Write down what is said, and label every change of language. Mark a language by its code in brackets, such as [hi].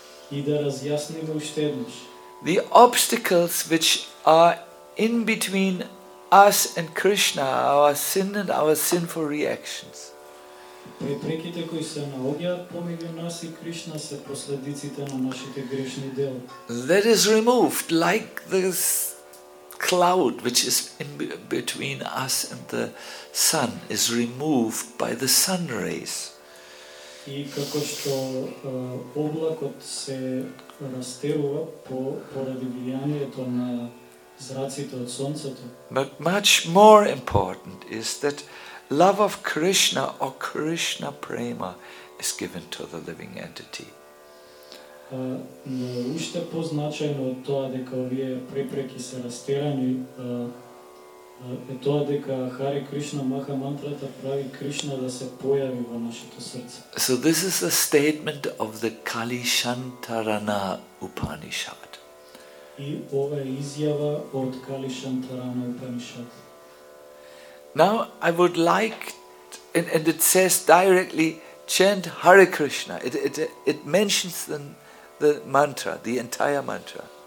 [en] The obstacles which are in between us and Krishna, our sin and our sinful reactions. [mk] Препреките кои се наоѓаат помеѓу нас и Кришна се последиците на нашите грешни дела. [en] That is removed like this cloud which is in between us and the sun is removed by the sun rays. [mk] И како што облакот се растерува поради влијанието на зраците од сонцето. [en] But much more important is that love of Krishna or Krishna prema is given to the living entity. [mk] Но уште позначајно од тоа дека овие препреки се растерани е тоа дека Хари Кришна Маха мантрата прави Кришна да се појави во нашето срце. [en] So this is a statement of the Kali Shantarana Upanishad. [mk] И ова е изјава од Kali Shantarana Upanishad. [en] Now I would like, and it says directly, chant Hare Krishna. It mentions the mantra, the entire mantra.